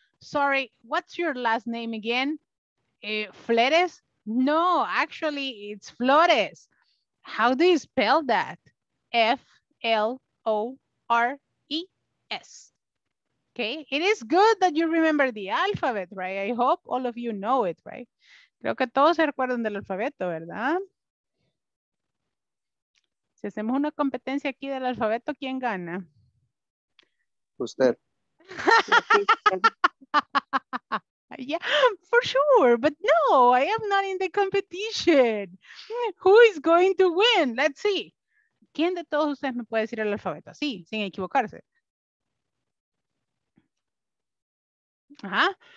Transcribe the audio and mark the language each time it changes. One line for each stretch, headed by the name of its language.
English: Sorry, what's your last name again? Flores? No, actually, it's Flores. How do you spell that? F-L-O-R-E-S. Okay, it is good that you remember the alphabet, right? I hope all of you know it, right?
Spanish: Creo que todos se recuerdan del alfabeto, ¿verdad? Si hacemos una competencia aquí del alfabeto, ¿quién gana? Usted.
English: Yeah, for sure. But no, I am not in the competition. Who is going to win? Let's see.
Spanish: ¿Quién de todos ustedes me puede decir el alfabeto? Sí, sin equivocarse. Ajá.